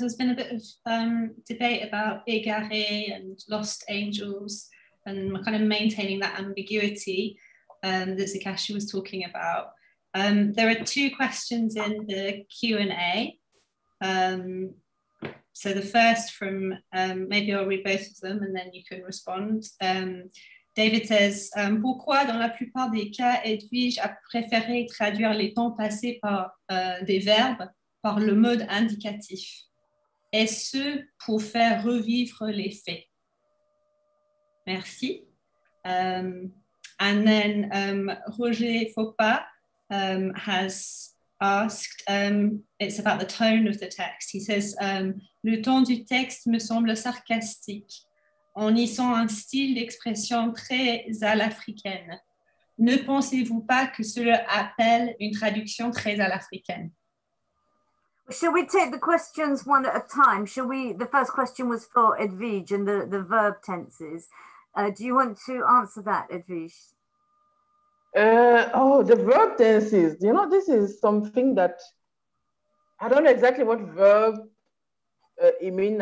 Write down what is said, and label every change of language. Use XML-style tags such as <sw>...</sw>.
<en>There's been a bit of debate about égaré and lost angels and kind of maintaining that ambiguity that Zekashi was talking about. There are two questions in the Q&A. So the first from, maybe I'll read both of them and then you can respond. David says,</en> <fr>pourquoi dans la plupart des cas Edwige a préféré traduire les temps passés par des verbes par le mode indicatif? Est-ce pour faire revivre les faits? Merci.</fr> <en>And then Roger Fopa has asked, it's about the tone of the text. He says,</en> <fr>le ton du texte me semble sarcastique. On y sent un style d'expression très à l'africaine. Ne pensez-vous pas que cela appelle une traduction très à l'africaine?</fr> <en>Shall we take the questions one at a time? Shall we? The first question was for Edwige and the verb tenses. Do you want to answer that, Edwige? The verb tenses. You know, this is something that I don't know exactly what verb you mean.</en>